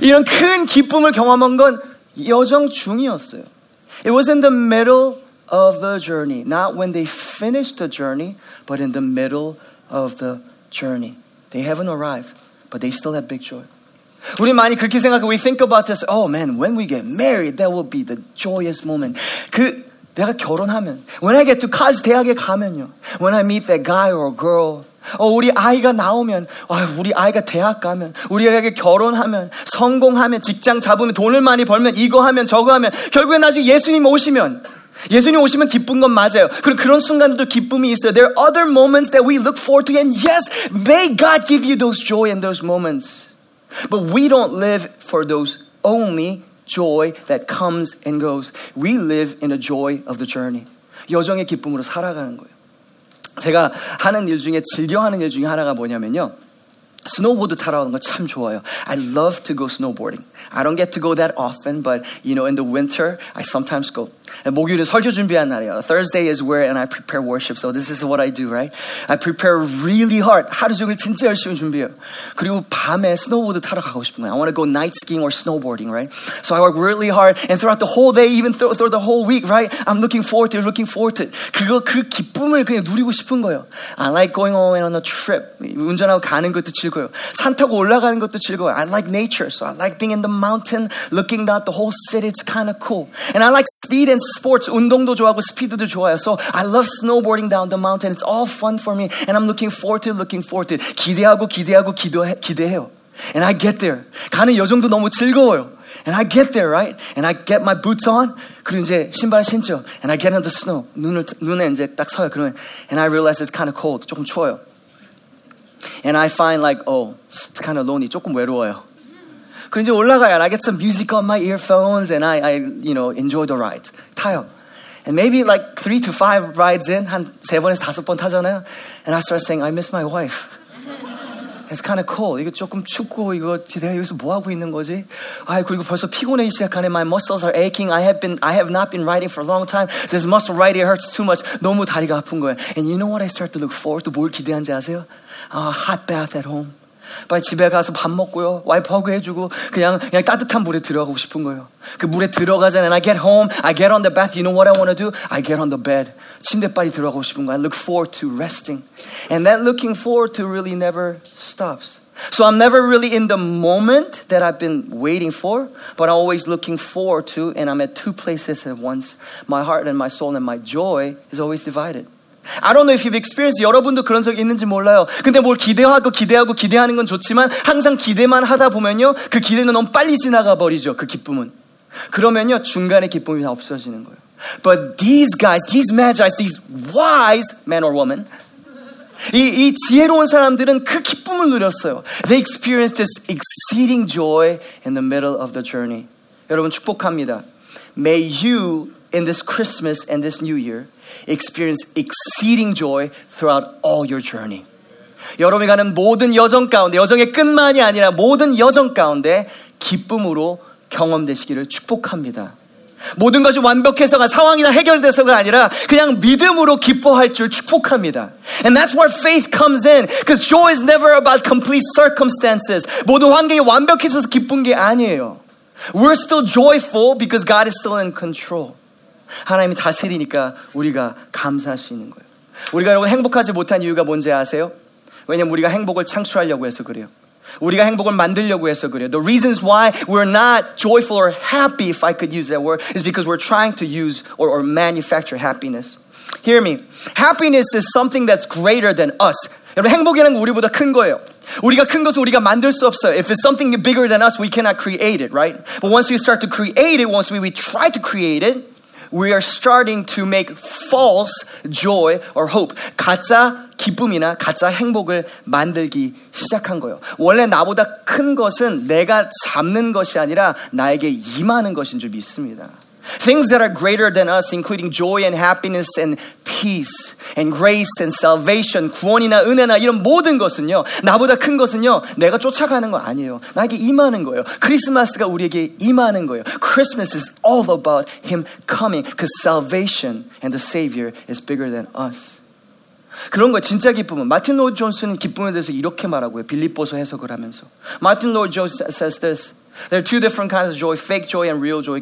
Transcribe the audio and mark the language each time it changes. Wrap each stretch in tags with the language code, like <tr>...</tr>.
<ko>이런 큰 기쁨을 경험한 건 여정 중이었어요.</ko> <en>It was in the middle of the journey, not when they finished the journey, but in the middle of the journey. They haven't arrived, but they still have big joy.</en> <ko>우리 많이 그렇게 생각하고</ko> <en>we think about this. Oh man, when we get married, that will be the joyous moment.</en> <ko>그 내가 결혼하면</ko> <en>when I get to college,</en> <ko>대학에 가면요.</ko> <en>When I meet that guy or girl.</en> <ko>Oh, 우리 아이가 나오면 우리 아이가 대학 가면 우리 아이가 결혼하면 성공하면 직장 잡으면 돈을 많이 벌면 이거 하면 저거 하면 결국엔 나중에 예수님 오시면 기쁜 건 맞아요. 그런 순간들도 기쁨이 있어요.</ko> <en>There are other moments that we look forward to and yes, may God give you those joy and those moments. But we don't live for those only joy that comes and goes. We live in a joy of the journey.</en> <ko>여정의 기쁨으로 살아가는 거예요. 제가 하는 일 중에 즐겨하는 일 중에 하나가 뭐냐면요. 스노보드 타러 가는 거 참 좋아요.</ko> <en>I love to go snowboarding. I don't get to go that often, but you know, in the winter, I sometimes go.</en> <ko>목요일은 설교 준비하는 날이에요.</ko> <en>Thursday is where and I prepare worship, so this is what I do, right? I prepare really hard.</en> <ko>하루 종일 진짜 열심히 준비해요. 그리고 밤에 스노보드 타러 가고 싶은 거예요.</ko> <en>I want to go night skiing or snowboarding, right? So I work really hard, and throughout the whole day, even throughout the whole week, right? I'm looking forward to it.</en> <ko>그 기쁨을 그냥 누리고 싶은 거예요.</ko> <en>I like going away on a trip.</en> <ko>운전하고 가는 것도 즐거워요. 산 타고 올라가는 것도 즐거워요.</ko> <en>I like nature, so I like being in the mountain, looking at the whole city. It's kind of cool. And I like speed and sports,</en> <ko>운동도 좋아하고 스피드도 좋아요.</ko> <en>So I love snowboarding down the mountain. It's all fun for me. And I'm looking forward to it.</en> <ko>기대하고 기대해요.</ko> <en>And I get there.</en> <ko>가는 여정도 너무 즐거워요.</ko> <en>And I get there, right? And I get my boots on.</en> <ko>그리고 이제 신발 신죠.</ko> <en>And I get in the snow.</en> <ko>눈에 이제 딱 서요. 그러면</ko> <en>And I realize it's kind of cold.</en> <ko>조금 추워요.</ko> <en>And I find like, oh, it's kind of lonely.</en> <ko>조금 외로워요. 그리고 이제 올라가요.</ko> <en>I get some music on my earphones and I you know, enjoy the ride.</en> <ko>타요.</ko> <en>And maybe like 3 to 5 rides in,</en> <ko>한 세 번에서 다섯 번 타잖아요.</ko> <en>And I start saying, I miss my wife. It's kind of cold.</en> <ko>이거 조금 춥고, 이거 내가 여기서 뭐 하고 있는 거지? 아, 그리고 벌써 피곤해 시작하네.</ko> <en>My muscles are aching. I have not been riding for a long time. This muscle riding hurts too much.</en> <ko>너무 다리가 아픈 거예요.</ko> <en>And you know what I start to look forward to?</en> <ko>뭘 기대한지 아세요?</ko> <en>A hot bath at home.</en> <ko>빨리 집에 가서 밥 먹고요. 와이프하고 해주고 그냥 따뜻한 물에 들어가고 싶은 거예요. 그 물에 들어가잖아요.</ko> <en>And I get home, I get on the bath. You know what I want to do? I get on the bed.</en> <ko>침대 빨리 들어가고 싶은 거예요.</ko> <en>I look forward to resting. And that looking forward to really never stops. So I'm never really in the moment that I've been waiting for, but I'm always looking forward to, and I'm at two places at once. My heart and my soul and my joy is always divided. I don't know if you've experienced,</en> <ko>여러분도 그런 적 있는지 몰라요. 근데 뭘 기대하고 기대하는 건 좋지만 항상 기대만 하다 보면요, 그 기대는 너무 빨리 지나가 버리죠, 그 기쁨은. 그러면요, 중간에 기쁨이 다 없어지는 거예요.</ko> <en>But these guys, these magi, these wise men or women,</en> <ko>이 지혜로운 사람들은 그 기쁨을 누렸어요.</ko> <en>They experienced this exceeding joy in the middle of the journey.</en> <ko>여러분 축복합니다.</ko> <en>May you in this Christmas and this new year experience exceeding joy throughout all your journey.</en> <ko>여러분이 가는 모든 여정 가운데, 여정의 끝만이 아니라 모든 여정 가운데 기쁨으로 경험되시기를 축복합니다. 모든 것이 완벽해서가 상황이 다 해결돼서가 아니라 그냥 믿음으로 기뻐할 줄 축복합니다.</ko> <en>And that's where faith comes in. Because joy is never about complete circumstances.</en> <ko>모든 환경이 완벽해서 기쁜 게 아니에요.</ko> <en>We're still joyful because God is still in control.</en> <ko>하나님이 다스리니까 우리가 감사할 수 있는 거예요. 우리가 여러분 행복하지 못한 이유가 뭔지 아세요? 왜냐면 우리가 행복을 창출하려고 해서 그래요. 우리가 행복을 만들려고 해서 그래요.</ko> <en>The reasons why we're not joyful or happy, if I could use that word, is because we're trying to use or manufacture happiness. Hear me. Happiness is something that's greater than us.</en> <ko>여러분, 행복이라는 건 우리보다 큰 거예요. 우리가 큰 것을 우리가 만들 수 없어요.</ko> <en>If it's something bigger than us, we cannot create it, right? But once we start to create it, once we try to create it, we are starting to make false joy or hope.</en> <ko>가짜 기쁨이나 가짜 행복을 만들기 시작한 거예요. 원래 나보다 큰 것은 내가 잡는 것이 아니라 나에게 임하는 것인 줄 믿습니다.</ko> <en>Things that are greater than us, including joy and happiness and peace and grace and salvation,</en> <ko>구원이나 은혜나 이런 모든 것은요, 나보다 큰 것은요, 내가 쫓아가는 거 아니에요. 나에게 임하는 거예요. 크리스마스가 우리에게 임하는 거예요.</ko> <en>Christmas is all about Him coming, because salvation and the Savior is bigger than us.</en> <ko>그런 거 진짜 기쁨은 마틴 로드 존스는 기쁨에 대해서 이렇게 말하고 해요. 빌립보서 해석을 하면서 마틴 로드 존스</ko> <en>says this. There are two different kinds of joy, fake joy and real joy.</en>